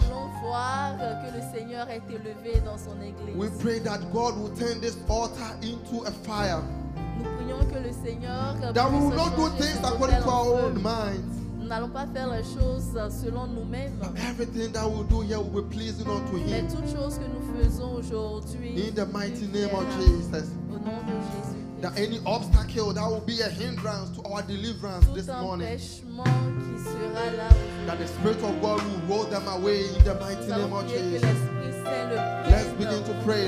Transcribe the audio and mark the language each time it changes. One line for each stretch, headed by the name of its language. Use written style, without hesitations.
English: We pray that God will turn this altar into a fire. That we will not do things according to our own minds.
French: Nous n'allons pas faire les choses selon nous-mêmes.
English: But everything that we do here will be pleasing unto him.
French: Mais toutes choses que nous faisons aujourd'hui.
English: In the mighty name of Jesus.
French: Au nom de Jésus.
English: That any obstacle that will be a hindrance to our deliverance this morning.
French: Tout empêchement qui sera là.
English: That the Spirit of God will roll them away in the mighty name of Jesus. Let's begin to pray.